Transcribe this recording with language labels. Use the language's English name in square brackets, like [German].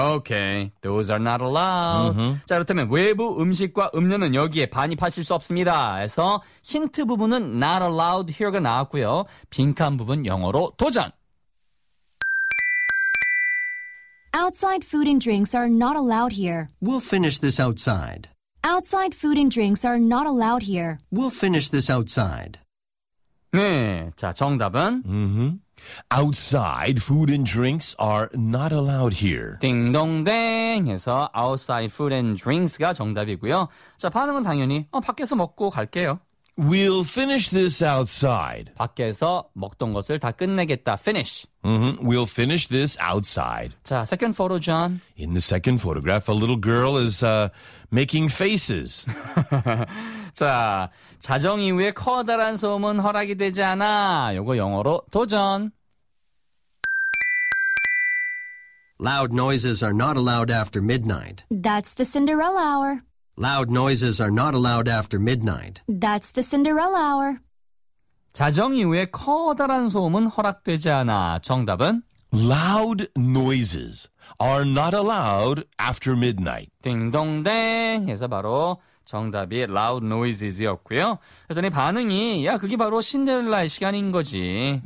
[English] Okay, those are not allowed. Mm-hmm. [Korean] 자, 그렇다면 외부 음식과 음료는 여기에 반입하실 수 없습니다. 해서 힌트 부분은 [English] not allowed here [Korean] 가 나왔고요. 빈칸 부분 영어로 도전! [English] Outside food and drinks are not allowed here. We'll finish this outside. Outside food and drinks are not allowed here. We'll finish this outside. [Korean] 네, 자, 정답은? Mm-hmm. [English] Outside food and drinks are not allowed here. [Korean] 딩동댕에서 [English] outside food and drinks [Korean] 가 정답이고요. 자, 반응은 당연히 밖에서 먹고 갈게요. [English] We'll finish this outside. [Korean] 밖에서 먹던 것을 다 끝내겠다. [English] Finish. Mm-hmm. We'll finish this outside. 자, second photo, John. In the second photograph, a little girl is making faces. [Korean] 자, 자정 이후에 커다란 소음은 허락이 되지 않아. 요거 영어로 도전. [English] Loud noises are not allowed after midnight. That's the Cinderella hour. Loud noises are not allowed after midnight. That's the Cinderella hour. [Korean] 자정 이후에 커다란 소음은 허락되지 않아. 정답은? [English] Loud noises are not allowed after midnight. [Korean] 딩동댕 해서 바로 정답이 loud noises였고요. 그랬더니 반응이 야 그게 바로 신데렐라의 시간인 거지.